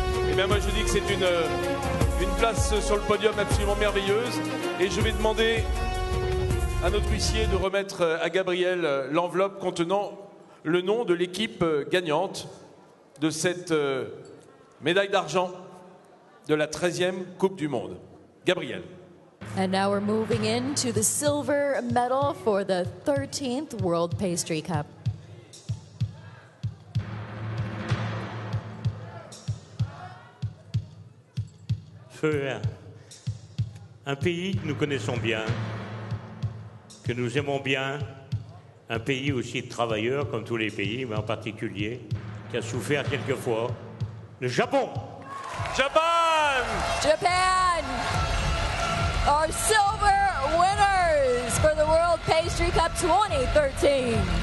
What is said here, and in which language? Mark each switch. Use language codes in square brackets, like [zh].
[fr] Et bien moi je dis que c'est une place sur le podium absolument merveilleuse. Et je vais demander à notre huissier de remettre à Gabriel l'enveloppe contenant le nom de l'équipe gagnante de cette médaille d'argent de la 13e Coupe du Monde. Gabriel. [en] And now we're moving into the silver medal for the 13th World Pastry Cup. [fr] Feu, un pays que nous connaissons bien, que nous aimons bien, un pays aussi de travailleurs comme tous les pays, mais en particulier qui a souffert quelquefois, le Japon. [en] Japan! Japan! Our silver winners for the World Pastry Cup 2013.